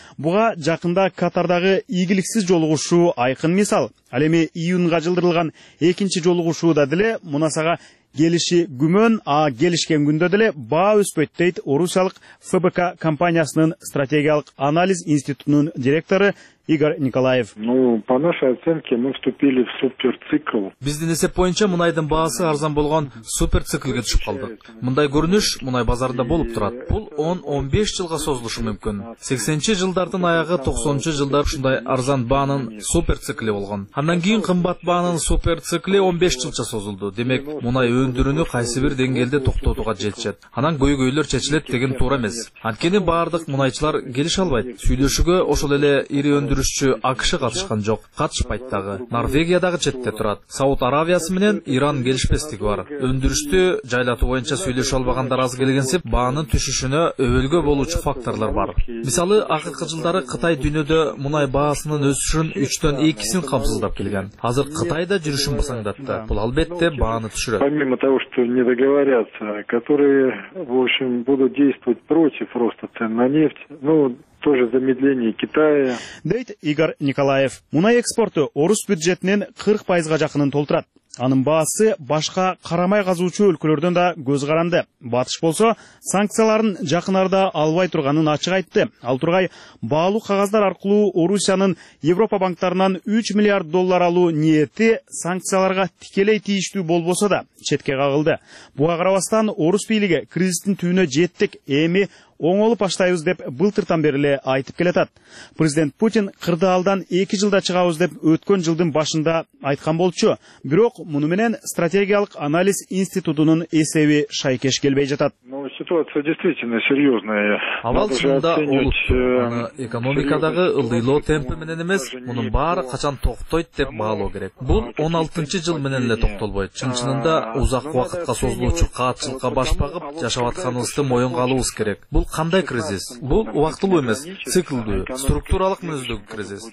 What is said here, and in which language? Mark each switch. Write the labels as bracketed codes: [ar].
[ky] Буга жакында Катардагы ийгиликсиз жолугушуу айкын мисал. Ал эми июнга жылдырылган экинчи жолугушууда деле мунасага келиши күмөн, а келишкен күндө деле баа өспөйт, дейт орусиялык ФБК компаниясынын стратегиялык анализ институтунун директору Игорь Николаев. [ru] Ну, по нашей оценке мы вступили в суперцикл. [ky] Биздин эсеп боюнча мунайдын баасы арзан болгон суперциклге түшүп калдык. Мындай көрүнүш мунай базарында болуп турат. Бул 10-15 жылга созулушу мүмкүн. 80-чи жылдардын аягы 90-чу жылдар ушундай арзан баанын суперцикли болгон. Андан кийин кымбат баанын суперцикли 15 жылча созулду. Демек, мунай өндүрүүнү кайсы бир деңгээлде токтотууга жетишет. Анан көйгөйлөр чечилет деген туура эмес. Анткени баардык мунайчылар келише албайт. Сүйлөшүүгө ошол эле ири өндүрүшчү АКШ катышкан жок, катышпайт дагы. Норвегия дагы четте турат. Сауд Аравиясы менен Иран келишпестиги бар. Өндүрүштү жайлатуу боюнча сүйлөшө албагандар аз келгенсип, баанын түшүшүнө өбөлгө болуучу факторлор бар. Мисалы, акыркы жылдары Кытай дүйнөдө мунай баасынын өсүшүн 3-2% камсыздап келген. Азыр Кытай да жүрүшүн басаңдатты. Бул албетте бааны түшүрөт. [ru] Помимо того, что не договорятся, которые, в общем, будут действовать против роста цен на нефть, ну, тоже замедление Китая. [ky] Дейт Игорь Николаев. Мунай экспорту орус бюджетинин 40%га жакынын толтурат. Анын баасы башка карамай казуучу өлкөлөрдөн да көз каранды. Батыш болсо, санкцияларын жакын арада албай турганын ачык айтты. Ал тургай баалуу кагаздар аркылуу Орусиянын Европа банктарынан 3 миллиард доллар алуу ниети санкцияларга тикелей тийиштүү болбосо да четке кагылды. Буга карабастан орус бийлиги кризистин түйүнө жеттик, эми оңолуп баштайбыз деп былтыртан бери эле айтып келатат. Президент Путин кырдаалдан 2 жылда чыгабыз деп өткөн жылдын башында айткан болчу. Бирок муну менен стратегиялык анализ институтунун эсеби шайкеш келбей жатат. [ru] Ситуация действительно серьезная. [ky] Абал чынында улуттуу. Аны экономикадагы ылдыйлоо темпи менен эмес, мунун баары качан токтойт деп баалоо керек. Бул 16 жыл менен эле токтолбойт. Чын чынында узак убакытка созулуучу каатчылыкка баш багып жашап атканыбызды моюнга алуубуз керек. Бул кандай кризис? Бул убактылуу эмес, циклдүү, структуралык мүнөздөгү кризис.